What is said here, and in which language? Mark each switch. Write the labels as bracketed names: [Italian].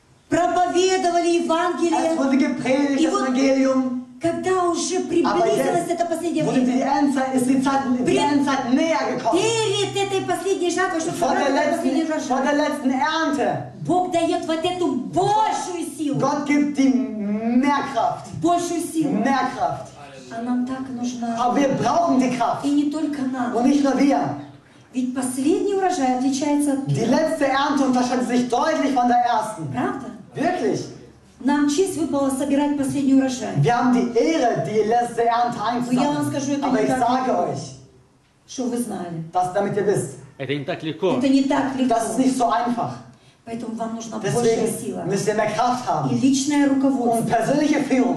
[Russian] Проповедовали Евангелие. Когда уже приблизилась эта последняя время, перед этой последней жатвой, чтобы она была последней жатвой, [German] vor der letzten Ernte, [Russian] Бог дает вот эту большую силу. [German] Gott gibt die mehr Kraft, [Russian] большую силу. [German] Mehr Kraft. [Russian] А нам так нужна. [German] Aber wir brauchen die Kraft. [Russian] И не только нам. [German] Und nicht nur wir. [Russian] Ведь последний урожай отличается от... [German] Die letzte Ernte unterscheidet sich deutlich von der ersten. [Russian] Правда? [German] Wirklich? [Russian] Нам честь выпала собирать последний урожай. [German] Wir haben die Ehre, die letzte Ernte einzusammeln. [Russian] Но я вам скажу, это [German] aber [Russian] не так легко. [German] Euch, [Russian] что вы знали. [German] Dass, damit ihr wisst, [Russian] это не так легко. Это не так легко. [German] Das ist nicht so einfach. [Russian] Поэтому вам нужна [German] Deswegen [Russian] большая сила. [German] Müsst ihr mehr Kraft haben. [Russian] И личное руководство. [German] Und persönliche Führung.